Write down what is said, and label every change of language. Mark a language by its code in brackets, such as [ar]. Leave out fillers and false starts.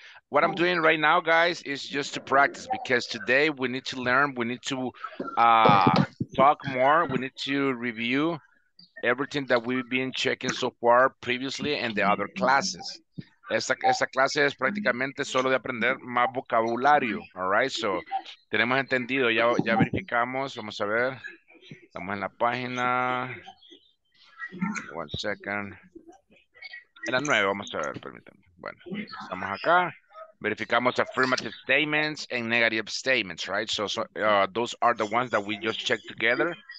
[en] What I'm doing right now, guys, is just to practice, because today we need to learn, we need to talk more, we need to review everything that we've been checking so far previously in the other classes. [es] Esta clase es prácticamente solo de aprender más vocabulario, [en] all right? [es] So, tenemos entendido, ya verificamos, vamos a ver, estamos en la página, [en] one second, [es] en la 9, vamos a ver, permítanme, bueno, estamos acá. Verificamos [en] affirmative statements and negative statements, right? So those are the ones that we just checked together.